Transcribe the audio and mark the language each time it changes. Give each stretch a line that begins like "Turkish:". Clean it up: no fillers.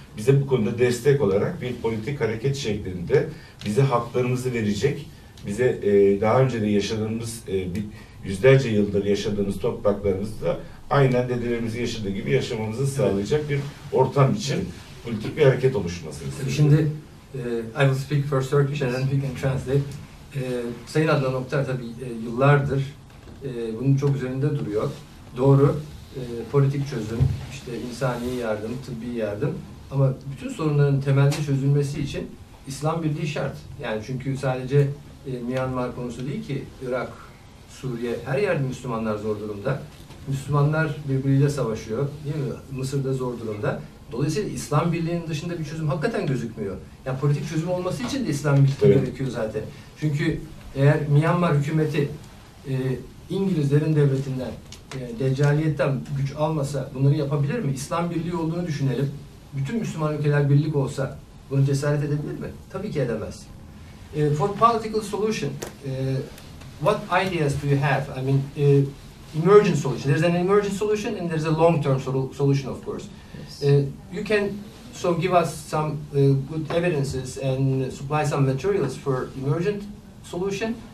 Turkish: Bize bu konuda destek olarak bir politik hareket şeklinde bize haklarımızı verecek, bize daha önce de yaşadığımız bir yüzlerce yıldır yaşadığımız topraklarımızda aynen dedelerimizin yaşadığı gibi yaşamamızı sağlayacak bir ortam için politik bir hareket oluşması. Şimdi
English: I will speak first Turkish and then we can translate.
Turkish: Sayın Adnan Oktar tabii yıllardır bunun çok üzerinde duruyor. Doğru. Politik çözüm, işte insani yardım, tıbbi yardım. Ama bütün sorunların temelde çözülmesi için İslam birliği şart. Yani çünkü sadece Myanmar konusu değil ki, Irak, Suriye, her yerde Müslümanlar zor durumda. Müslümanlar birbiriyle savaşıyor, değil mi? Mısır'da zor durumda. Dolayısıyla İslam birliğinin dışında bir çözüm hakikaten gözükmüyor. Yani politik çözüm olması için de İslam birliği gerekiyor zaten. Çünkü eğer Myanmar hükümeti İngilizlerin devletinden, Deccaliyetten güç almasa bunları yapabilir mi? İslam birliği olduğunu düşünelim. Bütün Müslüman ülkeler birlik olsa bunu cesaret edebilir mi? Tabii ki edemez.
English: For political solution, what ideas do you have? I mean, emergent solution. There's an emergent solution and there's a long-term solution, of course. You can so give us some good evidences and supply some materials for emergent solution.